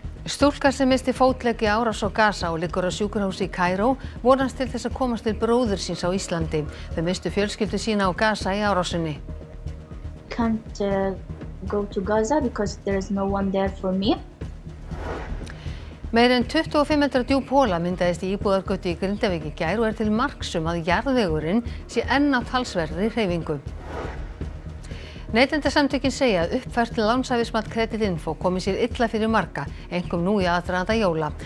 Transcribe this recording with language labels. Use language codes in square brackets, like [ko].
[is] Stúlka sem missti fótlegg í árás á Gaza og liggur á sjúkrahúsi í Kairó vonast til þess að komast til bróður síns á Íslandi. Þau misstu fjölskyldu sína á Gaza í árásinni. [en] Can't go to Gaza because there is no one there for me. [is] Meir en 25 metra djúp hola myndaðist í íbúðargötu í Grindavík í gær og er til marks um að jarðvegurinn sé enn á talsverðri hreyfingu. Neytendasamtökin segja að uppfært lánshæfismat kreditinfo komi sér illa fyrir marga, einkum nú í aðdraganda jóla.